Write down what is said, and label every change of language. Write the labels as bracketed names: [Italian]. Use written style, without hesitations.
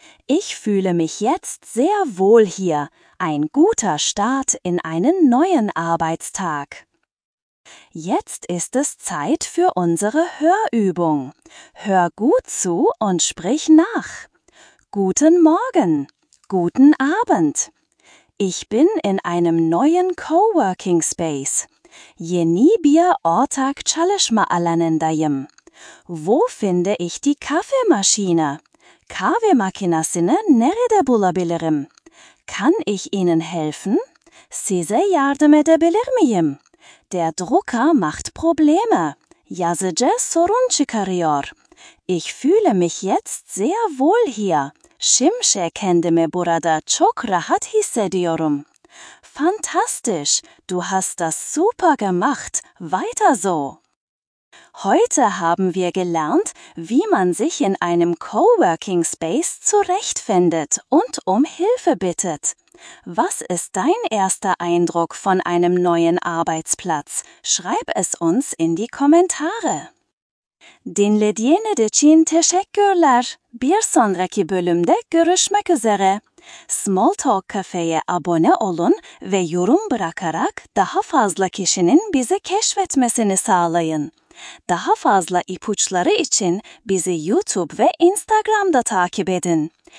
[German] Ich fühle mich jetzt sehr wohl hier. Ein guter Start in einen neuen Arbeitstag. Jetzt ist es Zeit für unsere Hörübung. Hör gut zu und sprich nach. Guten Morgen. Guten Abend. Ich bin in einem neuen Coworking Space. [Turkish] Yeni bir ortak çalışma alanındayım. [German] Wo finde ich die Kaffeemaschine? [Turkish] Kahvemakinasını nerede bulabilirim? [German] Kann ich Ihnen helfen? [Turkish] Size yardım edebilir miyim? [German] Der Drucker macht Probleme. [Turkish] Yazıcı sorun çıkarıyor. [German] Ich fühle mich jetzt sehr wohl hier. [Turkish] Şimşe kendimi burada çok rahat hissediyorum. [German] Fantastisch! Du hast das super gemacht. Weiter so! Heute haben wir gelernt, wie man sich in einem Coworking Space zurechtfindet und um Hilfe bittet. Was ist dein erster Eindruck von einem neuen Arbeitsplatz? Schreib es uns in die Kommentare. [Turkish] Dinlediğiniz için teşekkürler. Bir sonraki bölümde görüşmek üzere. Smalltalk Cafe'ye abone olun ve yorum bırakarak daha fazla kişinin bizi keşfetmesini sağlayın. Daha fazla ipuçları için bizi YouTube ve Instagram'da takip edin.